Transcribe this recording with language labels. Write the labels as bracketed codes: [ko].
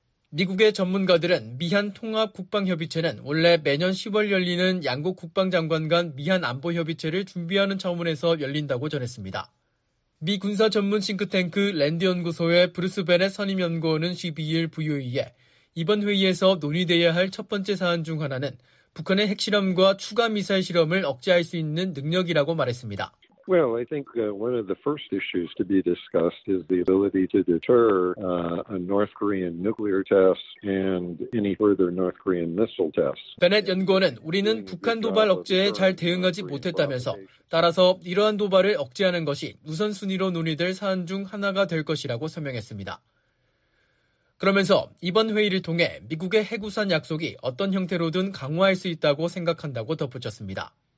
[ko] 미국의 전문가들은 미한 통합 국방협의체는 원래 매년 10월 열리는 양국 국방장관 간 미한 안보협의체를 준비하는 차원에서 열린다고 전했습니다. 미 군사 전문 싱크탱크 랜드 연구소의 브루스 베넷 선임 연구원은 12일 VOE에 이번 회의에서 논의되어야 할 첫 번째 사안 중 하나는 북한의 핵실험과 추가 미사일 실험을 억제할 수 있는 능력이라고 말했습니다. [en] Well, I think one of the first issues to be discussed is the ability to deter a North Korean nuclear test and any further North Korean missile test. [ko] 베넷 연구원은 우리는 북한 도발 억제에 잘 대응하지 못했다면서 따라서 이러한 도발을 억제하는 것이 우선순위로 논의될 사안 중 하나가 될 것이라고 설명했습니다. 그러면서 이번 회의를 통해 미국의 핵우산 약속이 어떤 형태로든 강화할 수 있다고 생각한다고 덧붙였습니다.